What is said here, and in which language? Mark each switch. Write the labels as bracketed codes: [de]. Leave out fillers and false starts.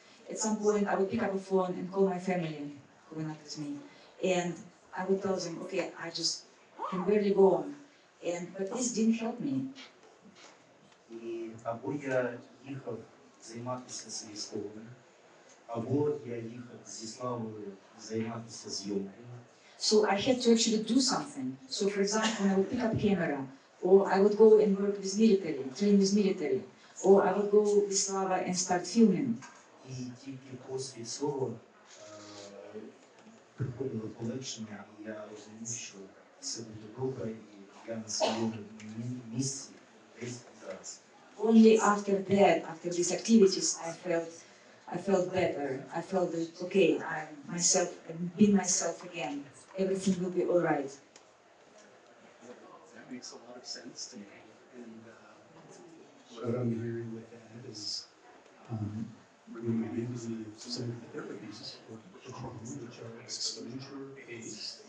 [en] At some point, I would pick up a phone and call my family, who were not with me, and I would tell them, okay, I just can barely go on. But this didn't help me. [uk] І або я їхав займатися з військовими, або я їхав зі Славою займатися зйомками. [en] So I had to actually do something. So for example, I would pick up camera, or I would go and work with military, train with military, or I would go with Slava and start filming. [uk] І тільки після цього приходило полегшення, і я розумів, що все буде добре, і я на своєму місці десь зараз. [en] Only after that, after these activities, I felt better. I felt that, okay, I've been myself again. Everything will be all right. That makes a lot of sense to me. And what I'm hearing with that is reminding me of some of the therapies for trauma, which are exposure-based.